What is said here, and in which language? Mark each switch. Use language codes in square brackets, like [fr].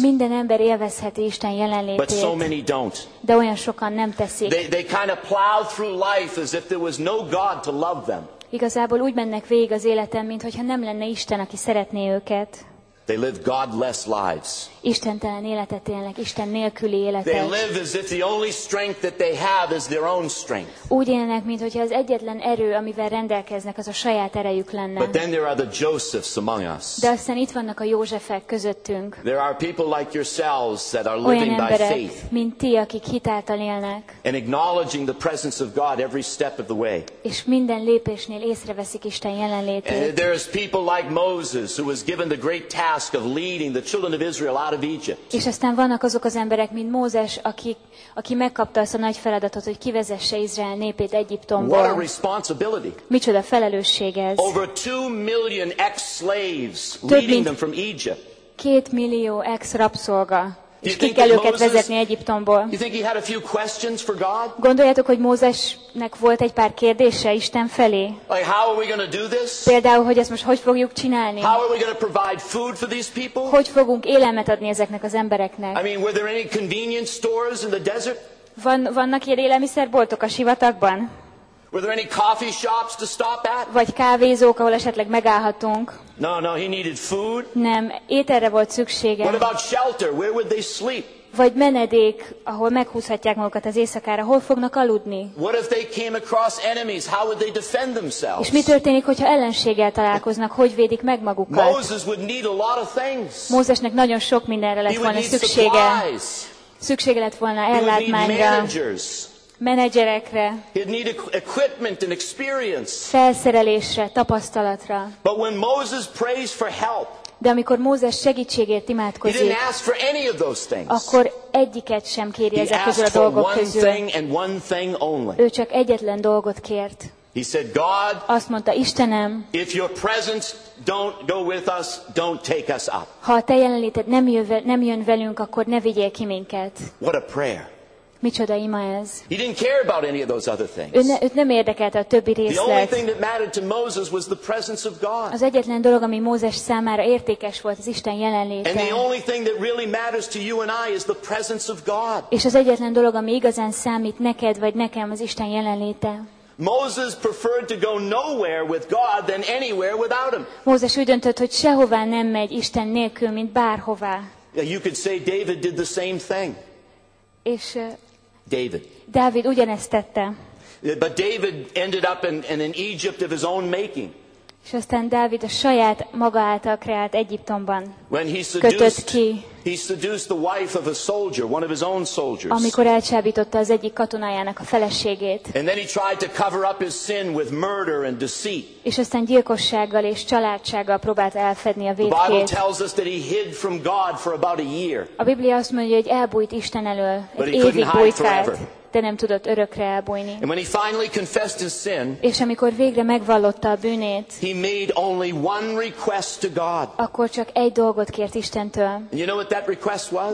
[hu] Minden ember élvezheti Isten jelenlétét. [en] But so many don't. [hu] De olyan sokan nem teszik. [en] They kind of plow through life as if there was no God to love them. [hu] Igazából úgy mennek végig az életen, mintha nem lenne Isten, aki szeretné őket. [en] They live godless lives. [hu] Istentelen életet élnek, Isten nélküli életet. [en] They live as if the only strength that they have is their own strength. [hu] Úgy élnek, mint hogyha az egyetlen erő, amivel rendelkeznek, az a saját erejük lenne. [en] But then there are the Josephs among us. [hu] De aztán itt vannak a Józsefek közöttünk. [en] There are people like yourselves that are [hu] olyan [en] living [hu] emberek, [en] by faith. [hu] Mint ti, akik hitáltal élnek. [en] And acknowledging the presence of God every step of the way. [hu] És minden lépésnél észreveszik Isten jelenlétét. [en] There is people like Moses who was given the great task of leading the children of Israel out of Egypt. [hu] És aztán vannak azok az emberek, mint Mózes, aki megkapta azt a nagy feladatot, hogy kivezesse Izrael népét Egyiptomból. [en] What a responsibility. [hu] Micsoda felelősség ez. [en] Over 2 million ex-slaves leading them from Egypt. [hu] 2 millió ex-rabszolga. És ki kell őket vezetni Egyiptomból. [en] You think he had a few questions for God? [hu] Gondoljátok, hogy Mózesnek volt egy pár kérdése Isten felé? [en] Like, how are we gonna do this? [hu] Például, hogy ezt most hogy fogjuk csinálni? [en] How are we gonna provide food for these people? [hu] Hogy fogunk élelmet adni ezeknek az embereknek? [en] I mean, were there any convenience stores in the desert? [hu] Vannak ilyen élelmiszerboltok a sivatagban? [en] Were there any coffee shops to stop at? [hu] Vagy kávézók, ahol esetleg megállhatunk? [en] No, he needed food. [hu] Nem, ételre volt szüksége. [en] What about shelter? Where would they sleep? [hu] Vagy menedék, ahol meghúzhatják magukat az éjszakára, hol fognak aludni? [en] What if they came across enemies? How would they defend themselves? [hu] És mi történik, hogyha ellenséggel találkoznak, hogy védik meg magukat? [en] Moses would need a lot of things. [hu] Mózesnek nagyon sok mindenre lett volna szüksége. Szüksége lett volna ellátmányra. Menedzserekre. [en] He'd need equipment and experience. [hu] Felszerelésre, tapasztalatra. [en] But when Moses prays for help, [hu] de amikor Mózes segítségért imádkozik, [en] he didn't ask for any of those things. [hu] Akkor egyiket sem kéri ezek közül a dolgok közül. Ő csak egyetlen dolgot kért. [en] He said, God, [hu] azt mondta, Istenem, [en] if your presence don't go with us, don't take us up. [hu] Ha a te jelenléted nem jön velünk, akkor ne vigyél ki minket. [en] What a prayer. [hu] Micsoda ima ez? [en] He didn't care about any of those other things. [hu] Őt nem érdekelte a többi részlet. [en] The only thing that mattered to Moses was the presence of God. [hu] Az egyetlen dolog, ami Mózes számára értékes volt, az Isten jelenléte. [en] And the only thing that really matters to you and I is the presence of God. [hu] És az egyetlen dolog, ami igazán számít neked vagy nekem, az Isten jelenléte. [en] Moses preferred to go nowhere with God than anywhere without him. [hu] Mózes úgy döntött, hogy sehová nem megy Isten nélkül, mint bárhová. [en] Yeah, you could say David did the same thing. [hu] És David. Dávid ugyanezt tette. [en] But David ended up in Egypt of his own making. [hu] És aztán Dávid a saját maga által kreált Egyiptomban kötött ki. [en] He seduced the wife of a soldier, one of his own soldiers. [hu] Amikor elcsábította az egyik katonájának a feleségét. [en] And then he tried to cover up his sin with murder and deceit. [hu] És aztán gyilkossággal és csalátsággal próbált elfedni a vétkét. [en] The Bible tells us that he hid from God for about a year. [hu] A Biblia azt mondja, hogy elbújt Isten elől, egy évig bújkált. De nem tudott örökre elbújni. [en] And when he finally confessed his sin, [hu] és amikor végre megvallotta a bűnét, [en] he made only one request to God. [hu] Akkor csak egy dolgot kért Istentől. [en] And you know what that request was?